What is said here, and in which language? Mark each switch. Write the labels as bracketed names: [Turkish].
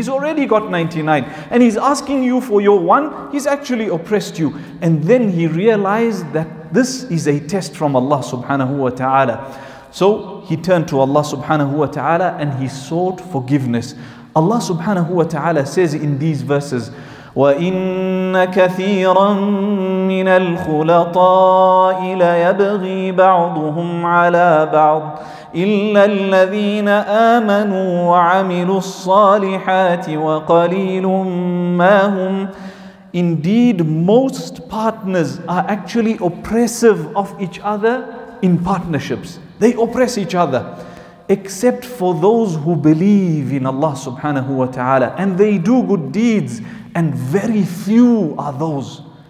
[English] He's already got 99 and he's asking you for your one. He's actually oppressed you. And then he realized that this is a test from Allah subhanahu wa ta'ala. So he turned to Allah subhanahu wa ta'ala and he sought forgiveness. Allah subhanahu wa ta'ala says in these verses, [Arabic] وَإِنَّ كَثِيرًا مِّنَ الْخُلَطَاءِ لَيَبْغِي بَعْضُهُمْ عَلَى بَعْضٍ إِلَّا الَّذِينَ آمَنُوا وَعَمِلُوا الصَّالِحَاتِ وَقَلِيلٌ مَّا هُمْ. [English] Indeed, most partners are actually oppressive of each other in partnerships. They oppress each other. Except for those who believe in Allah subhanahu wa ta'ala and they do good deeds, and very few are those.